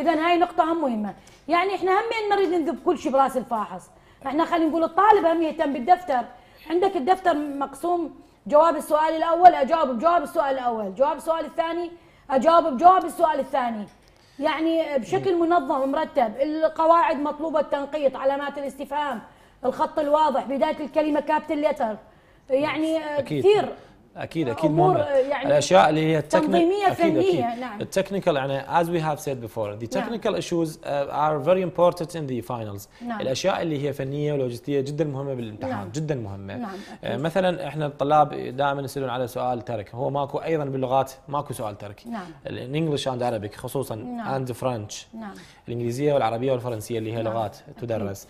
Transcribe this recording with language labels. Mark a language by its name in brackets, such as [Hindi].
[Arabic] اذا هاي نقطه هم مهمه يعني احنا همين نريد نذب كل شيء براس الفاحص احنا خلينا نقول الطالب هم يهتم بالدفتر عندك الدفتر مقسوم جواب السؤال الاول اجاوب بجواب السؤال الاول جواب السؤال الثاني اجاوب بجواب السؤال الثاني يعني بشكل منظم ومرتب القواعد مطلوبه التنقيط علامات الاستفهام الخط الواضح بدايه الكلمه كابيتال ليتر يعني أكيد. كثير اكيد اكيد امور يعني الاشياء اللي هي تنظيميه فنيه نعم التكنيكال يعني [English] as we have said before the technical issues are very important in the finals [Arabic] نعم. الاشياء اللي هي فنيه ولوجستيه جدا مهمه بالامتحان نعم. جدا مهمه نعم. مثلا احنا الطلاب دائما يسالون على سؤال ترك هو ماكو ايضا باللغات ماكو سؤال ترك نعم [English] الانجليش and Arabic خصوصا [Arabic] نعم. [English] and French [Arabic] نعم. الانجليزيه والعربيه والفرنسيه اللي هي نعم. لغات تدرس